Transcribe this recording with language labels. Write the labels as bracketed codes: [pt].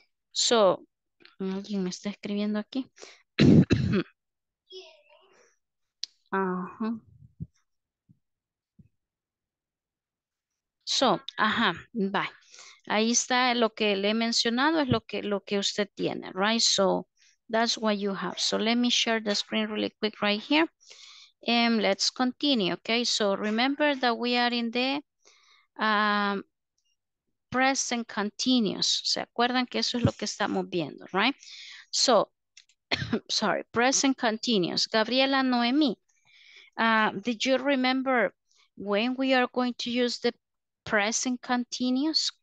[es] So, alguien me está escribiendo aquí. Uh-huh. So, ajá, bye. Ahí está lo que le he mencionado, es lo que usted tiene, right? [en] So, that's what you have. So, let me share the screen really quick right here. And let's continue, okay? So, remember that we are in the present continuous. [es] ¿Se acuerdan que eso es lo que estamos viendo, right? [en] So, sorry, present continuous. Gabriela, Noemí, did you remember when we are going to use the present continuous?